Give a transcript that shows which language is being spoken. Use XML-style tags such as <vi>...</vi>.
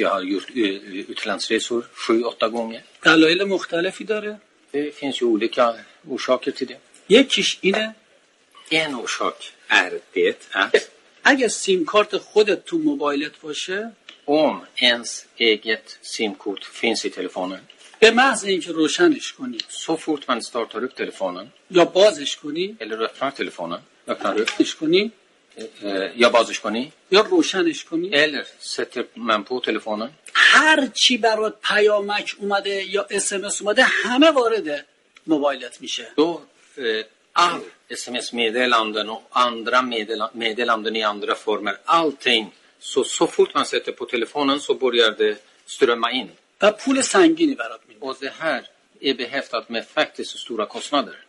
<sv>Jag har gjort utlandsresor 7-8 gånger.</sv> <fa>دلایل مختلفی داره.</fa> <sv>Det finns ju olika orsaker till det.</sv> <fa>یکیش اینه.</fa> <sv>En orsak är det att</sv> <fa>اگه سیم کارت خودت تو موبایلت باشه،</fa> <sv>om ens eget simkort finns i telefonen.</sv> <fa>به محض اینکه روشنش کنی،</fa> <sv>så fort man startar upp telefonen.</sv> <fa>یا بازش کنی،</fa> <sv>eller öppnar telefonen. Öppnar du upp telefonen.</sv> <fa>یا بازش کنی، یا روشنش کنی،</fa> <sv>eller sätter man på telefonen.</sv> <fa>هر چی برات پیامک اومده یا اس ام اس اومده همه وارد موبایلت میشه. دو اس ام اس</fa> <sv>meddelanden och andra meddelanden i andra former allting. Så fort man sätter på telefonen så börjar det strömma in. Vad pul sängini varat min. Och det här är behäftat med faktiskt stora kostnader.</sv>